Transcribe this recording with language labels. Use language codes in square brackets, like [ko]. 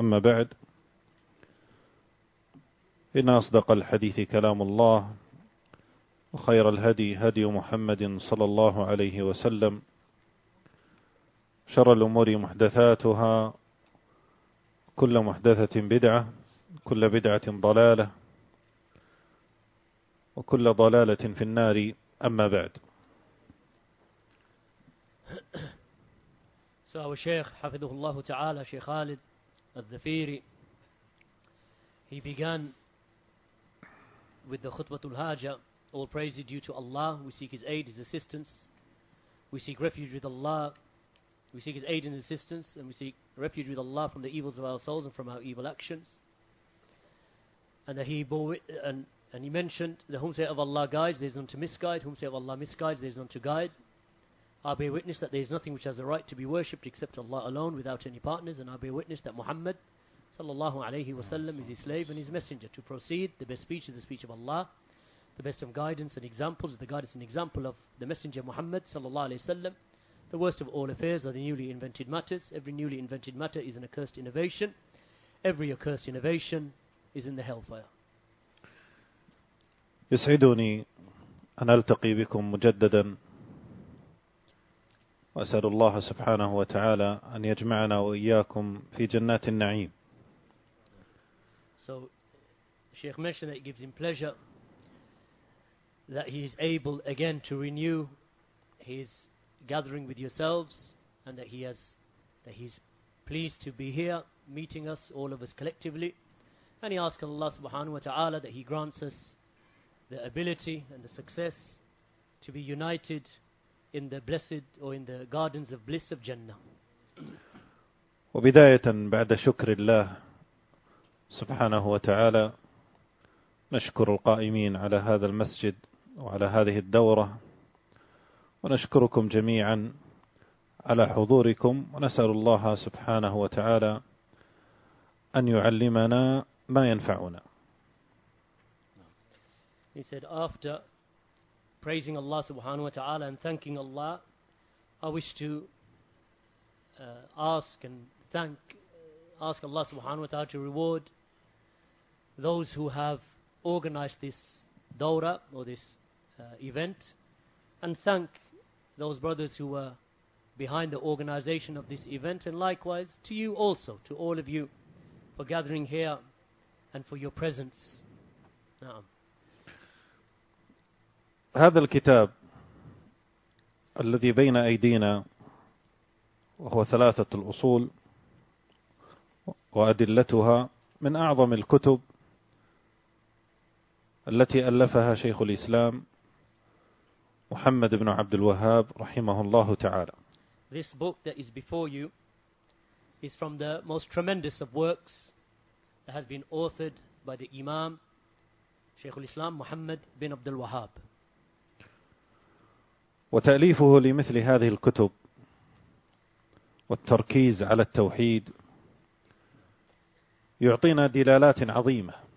[ar] أما بعد، إن أصدق الحديث كلام الله وخير الهدي هدي محمد صلى الله عليه وسلم، شر الأمور محدثاتها، كل محدثة بدعة، كل بدعة ضلالة، وكل ضلالة في النار. أما بعد، سأل الشيخ حفظه الله تعالى شيخ خالد الذفيري. [en] He began with the khutbatul haja. All praise is due to Allah. We seek His aid, His assistance. We seek refuge with Allah. We seek His aid and assistance, and we seek refuge with Allah from the evils of our souls and from our evil actions. And that He bore it, and He mentioned that whomsoever of Allah guides, there is none to misguide; whomsoever of Allah misguides, there is none to guide. I bear witness that there is nothing which has a right to be worshipped except Allah alone, without any partners. And I bear witness that Muhammad, sallallahu alaihi wasallam, is His slave and His messenger. To proceed, the best speech is the speech of Allah. The best of guidance and examples is the guidance and example of the messenger Muhammad, sallallahu alaihi wasallam. The worst of all affairs are the newly invented matters. Every newly invented matter is an accursed innovation. Every accursed innovation is in the hellfire. [ar] يسعدني أن ألتقي بكم مجددا، وأسأل الله سبحانه وتعالى أن يجمعنا وإياكم في جنات النعيم. [en] So, Sheikh mentioned that it gives him pleasure that he is able again to renew his gathering with yourselves, and that he's pleased to be here meeting us, all of us collectively. And he asks Allah subhanahu wa ta'ala that He grants us the ability and the success to be united in the blessed or in the gardens of bliss of Jannah. [ar] وبداية بعد شكر الله سبحانه وتعالى نشكر القائمين على هذا المسجد وعلى هذه الدورة، ونشكركم جميعا على حضوركم، ونسأل الله سبحانه وتعالى أن يعلمنا ما ينفعنا. [en] He said, after praising Allah subhanahu wa ta'ala and thanking Allah, I wish to ask Allah subhanahu wa ta'ala to reward those who have organized this dawra or this event, and thank those brothers who were behind the organization of this event, and likewise to you also, to all of you, for gathering here and for your presence. [ar] Na'am. هذا الكتاب الذي بين أيدينا وهو ثلاثة الأصول وأدلتها من أعظم الكتب التي ألفها شيخ الإسلام محمد بن عبد الوهاب رحمه الله تعالى. [en] This book that is before you is from the most tremendous of works that has been authored by the Imam شيخ الإسلام محمد بن عبد الوهاب. [ar] وتأليفه لمثل هذه الكتب والتركيز على التوحيد يعطينا دلالات عظيمة.